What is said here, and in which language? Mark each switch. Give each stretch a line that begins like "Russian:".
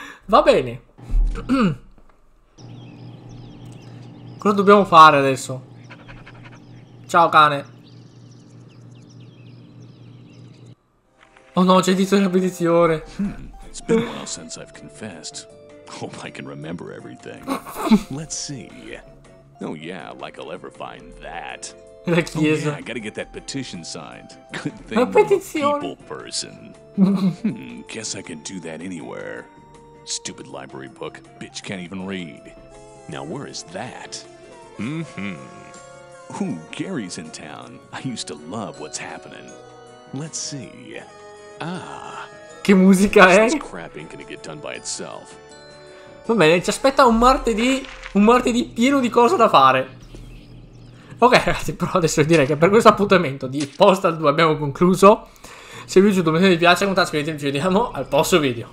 Italian: Va bene. Cosa dobbiamo fare adesso? Ciao cane. Oh no, c'è il dito della benedizione.
English: It's been a while since I've confessed. Hope I can remember everything. Let's see. Oh yeah, like I'll ever find that.
Italian: La chiesa.
English: Oh, yeah, I gotta get that petition signed. Good thing
Italian: la petizione.
English: People person. Guess I can do that anywhere. Stupid library book. Bitch can't even read. Now where is that? Ooh, Gary's in town. I used to love what's happening. Let's see. Ah.
Italian: Che musica è?
English: This crap ain't gonna get done by itself.
Italian: Va bene, ci aspetta un martedì. Un martedì pieno di cose da fare. Ok, ragazzi, però adesso direi che per questo appuntamento di Postal 2 abbiamo concluso. Se vi è piaciuto, mettete mi piace, commentate, scrivetemi, ci vediamo al prossimo video.